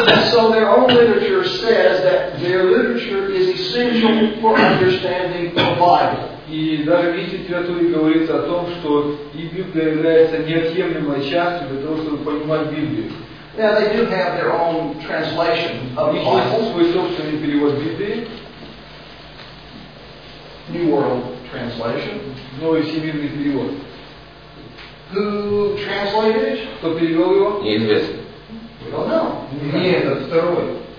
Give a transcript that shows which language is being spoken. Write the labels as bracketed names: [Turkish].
[English] So their own literature says that their literature is essential for understanding the Bible. [Russian] И даже в их литературе говорится о том, что и Библия является неотъемлемой частью для того, чтобы понимать Библию. [English] Now they do have their own translation of the Bible. [Russian] Свой собственный перевод Библии. [English] New World Translation. [Russian] Новый всемирный перевод. [English] Who translated it? [Russian] Кто перевел его? Неизвестно. [English] We don't know. [Russian] Нет, это второй.